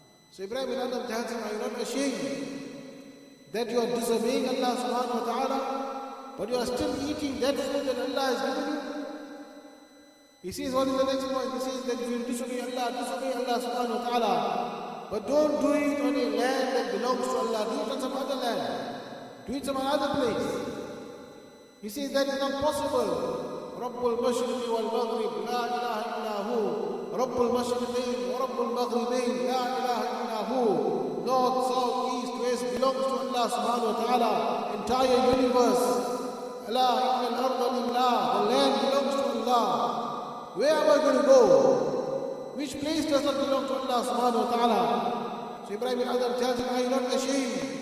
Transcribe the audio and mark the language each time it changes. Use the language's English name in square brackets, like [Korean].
[English] So Ibrahim bin Adam tells him, are you not ashamed that you are disobeying Allah subhanahu wa ta'ala, but you are still eating that food that Allah has given you? He says, what is the next point? He says that if you disobey Allah subhanahu wa ta'ala, but don't do it on a land that belongs to Allah. Do it on some other land. Do it some other place. He says that is not possible. [Arabic] رب المشرق والمغرب لا إله إلا هو رب المشرقين ورب المغربين لا إله إلا هو لا [English] north, south, east, west belongs to Allah subhanahu wa ta'ala, entire universe. Allah, the land belongs to Allah. Where am I going to go? Which place does not belong to Allah subhanahu wa ta'ala? So Ibrahim al-Adham tells him, are you not ashamed?